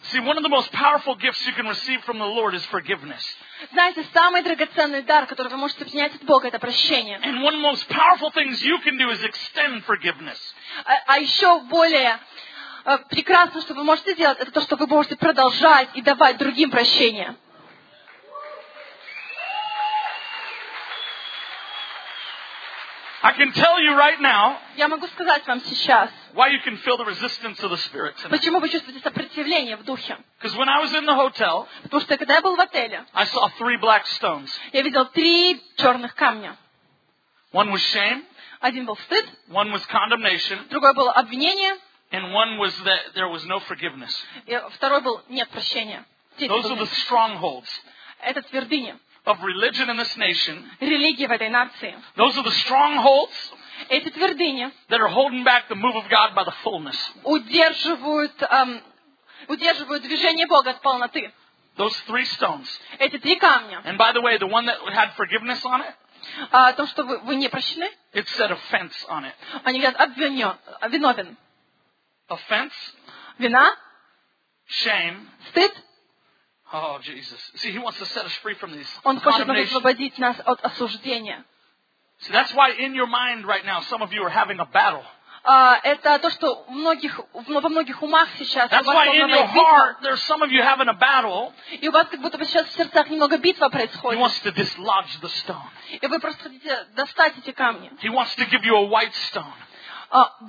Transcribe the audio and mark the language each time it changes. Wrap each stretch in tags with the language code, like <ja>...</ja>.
<en>See, one of the most powerful gifts you can receive from the Lord is forgiveness.</en> <ru>Знаете, самый драгоценный дар, который вы можете принять от Бога, это прощение.</ru> <en>And one of the most powerful things you can do is extend forgiveness.</en> <ru>А еще более прекрасно, что вы можете сделать, это то, что вы можете продолжать и давать другим прощение.</ru> <en>I can tell you right now.</en> <ru>Я могу сказать вам сейчас.</ru> <en>Why you can feel the resistance of the spirit tonight?</en> <ru>Почему вы чувствуете сопротивление в духе?</ru> <en>Because when I was in the hotel.</en> <ru>Потому что когда я был в отеле.</ru> <en>I saw three black stones.</en> <ru>Я видел три черных камня.</ru> <en>One was shame.</en> <ru>Один был стыд.</ru> <en>One was condemnation.</en> <ru>Другой было обвинение.</ru> <en>And one was that there was no forgiveness.</en> <ru>И второй был нет прощения.</ru> <en>Those are the strongholds.</en> <ru>Это твердыни.</ru> <en>Of religion in this nation.</en> <ru>Религия в этой нации.</ru> <en>Those are the strongholds.</en> <ru>Эти твердыни.</ru> <en>That are holding back the move of God by the fullness.</en> <ru>Удерживают движение Бога от полноты.</ru> <en>Those three stones.</en> <ru>Эти три камня.</ru> <en>And by the way, the one that had forgiveness on it.</en> <ru>То, что вы не прощены.</ru> <en>It said offense on it.</en> <ru>Они говорят виновен.</ru> <en>Offense.</en> <ru>Вина.</ru> <en>Shame.</en> <ru>Стыд.</ru> <en>Oh Jesus! See, He wants to set us free from these.</en> <ru>Он хочет освободить нас от осуждения.</ru> <en>See, that's why in your mind right now, some of you are having a battle.</en> <ru>Это то, что во многих умах сейчас.</ru> <en>That's why in your heart, there's some of you having a battle.</en> <ru>И у вас как будто бы сейчас в сердцах немного битва происходит.</ru> <en>He wants to dislodge the stone.</en> <ru>И вы просто хотите достать эти камни.</ru> <en>He wants to give you a white stone.</en>